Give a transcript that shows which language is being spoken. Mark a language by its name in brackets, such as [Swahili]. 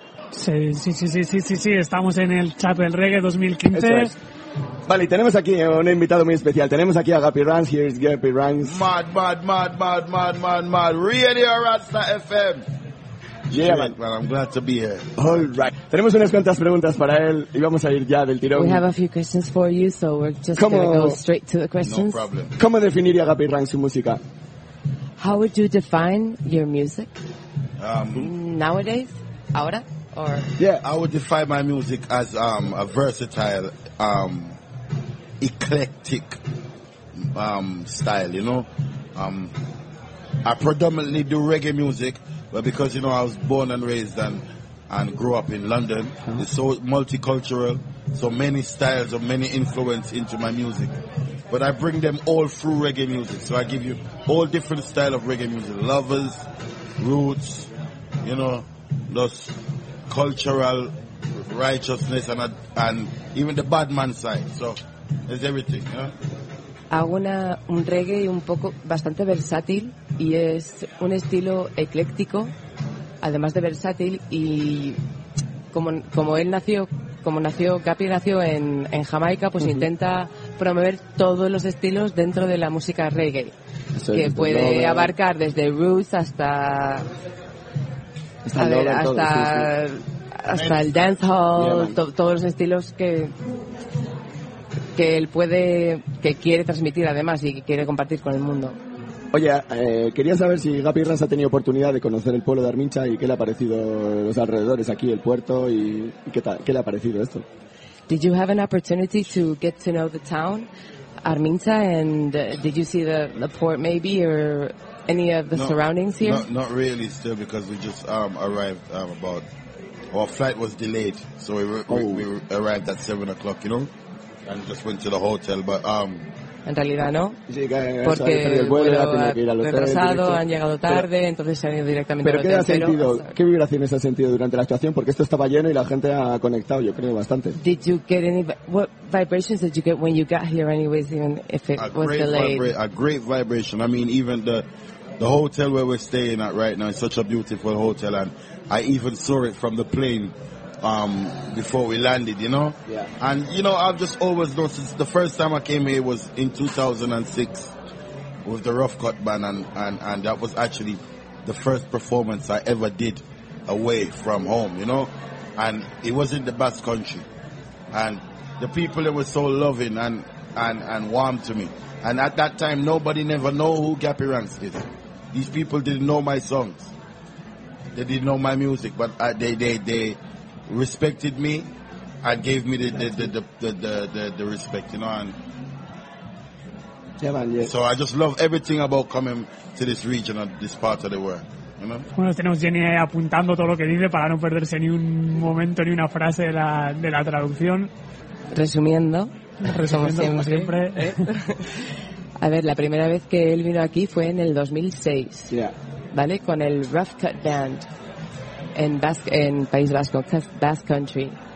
[Spanish] Sí, estamos en el Chapel Reggae 2015. Vale, y tenemos aquí un invitado muy especial. Tenemos aquí a Gapi Ranks, [English] here's Gapi Ranks. Mad, Radio Rasta FM. Yeah, man. Well, I'm glad to be here. All right. [Spanish] Tenemos unas cuantas preguntas para él y vamos a ir ya del tirón. [English] We have a few questions for you, so we're just going to go straight to the questions. No problem. [Spanish] ¿Cómo definiría Gapi Ranks su música? [English] How would you define your music? Nowadays? [Spanish] Ahora? [English] Or? Yeah, I would define my music as a versatile, eclectic style, you know? I predominantly do reggae music, but because, you know, I was born and raised and grew up in London, it's so multicultural, so many styles of many influence into my music. But I bring them all through reggae music, so I give you all different style of reggae music. Lovers, roots, you know, those cultural righteousness and even the bad man side, so there's everything, you know. [Spanish] Hago un reggae un poco bastante versátil y es un estilo ecléctico, además de versátil, y como nació Capi nació en Jamaica, pues intenta promover todos los estilos dentro de la música reggae. Eso que es, puede no, abarcar desde roots hasta el dancehall, todos los estilos que él puede, que quiere transmitir además y que quiere compartir con el mundo. Oye, quería saber si Gapi Rans ha tenido oportunidad de conocer el pueblo de Armincha y qué le ha parecido los alrededores aquí, el puerto, y qué tal, qué le ha parecido esto. [English] Did you have an opportunity to get to know the town, Armincha, and did you see the port maybe or any of the surroundings here? Not really still because we just arrived about, our flight was delayed, so we arrived at 7 o'clock, you know. And just went to the hotel, but [Spanish] en realidad no, sí, porque el vuelo ha retrasado, han llegado tarde, pero, entonces se han ido directamente. Pero ¿qué ha sentido? ¿Qué vibraciones ha sentido durante la actuación? Porque esto estaba lleno y la gente ha conectado, yo creo, bastante. [English] Did you get any what vibrations did you get when you got here, anyways, even if it was delayed? A great vibration. I mean, even the hotel where we're staying at right now is such a beautiful hotel, and I even saw it from the plane. Before we landed, you know? Yeah. And, you know, I've just always known since the first time I came here was in 2006 with the Rough Cut Band, and that was actually the first performance I ever did away from home, you know? And it was in the Basque Country. And the people there were so loving and warm to me. And at that time, nobody never know who Gapi Rans is. These people didn't know my songs. They didn't know my music, but they respected me and gave me the respect, you know. And yeah, man, yeah. So I just love everything about coming to this region and this part of the world, you know. [Spanish] Bueno, tenemos Jenny apuntando todo lo que dice para no perderse ni un momento ni una frase de la traducción. Resumiendo siempre. A ver, la primera vez que él vino aquí fue en el 2006. [English] Yeah. [Spanish] ¿Vale? Con el Rough Cut Band en País Vasco, Basque Country.